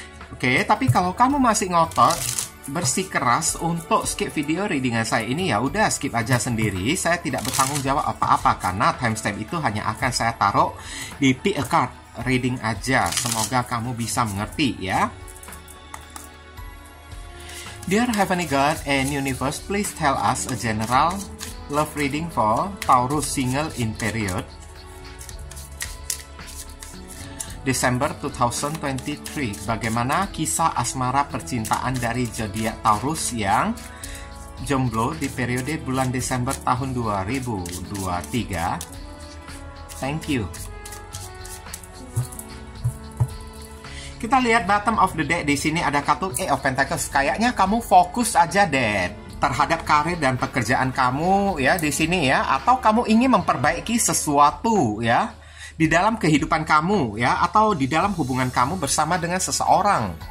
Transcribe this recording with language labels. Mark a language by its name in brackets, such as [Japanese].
[Indonesian] Oke, tapi kalau kamu masih ngotot, bersikeras untuk skip video readingan saya ini, ya udah skip aja sendiri. Saya tidak bertanggung jawab apa-apa karena timestamp itu hanya akan saya taruh di pick a card reading aja. Semoga kamu bisa mengerti ya. [English] Dear Heavenly God and Universe, please tell us a general love reading for Taurus single in period December 2023. [Indonesian] Bagaimana kisah asmara percintaan dari zodiak Taurus yang jomblo di periode bulan Desember tahun 2023? [English] Thank you. [Indonesian] Kita lihat [English] bottom of the deck, [Indonesian] di sini ada kartu Eight of Pentacles. Kayaknya kamu fokus aja deh terhadap karir dan pekerjaan kamu ya di sini ya, atau kamu ingin memperbaiki sesuatu ya di dalam kehidupan kamu ya, atau di dalam hubungan kamu bersama dengan seseorang.